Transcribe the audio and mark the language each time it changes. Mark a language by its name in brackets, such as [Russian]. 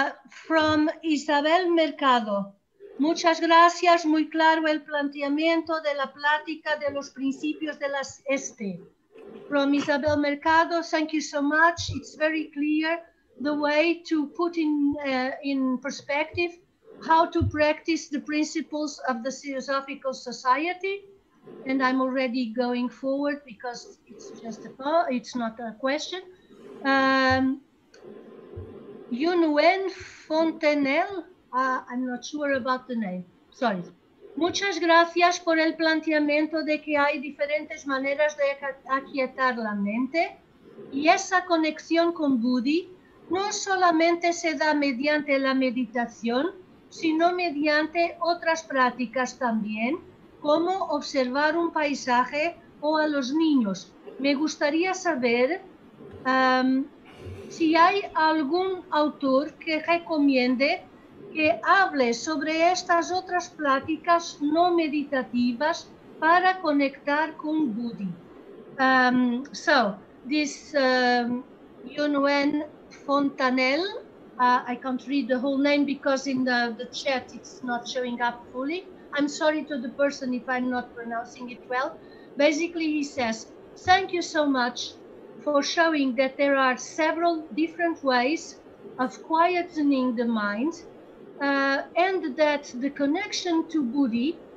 [Spanish] From Isabel Mercado. Muchas gracias, muy claro el planteamiento de la plática de los principios de las este. [English] From Isabel Mercado, thank you so much. It's very clear the way to put in perspective how to practice the principles of the Theosophical Society. And I'm already going forward because it's just a poll, it's not a question. Yunwen Fontenelle, I'm not sure about the name, sorry. [Spanish] Muchas gracias por el planteamiento de que hay diferentes maneras de aquietar la mente y esa conexión con Budi no solamente se da mediante la meditación, sino mediante otras prácticas también, como observar un paisaje o a los niños. Me gustaría saber si hay algún autor que recomiende que hable sobre estas otras prácticas no meditativas para conectar con Budi. [English] So, this Yunwen Fontanelle, I can't read the whole name because in the chat it's not showing up fully. I'm sorry to the person if I'm not pronouncing it well. Basically, he says, thank you so much for showing that there are several different ways of quietening the mind, and that the connection to Budi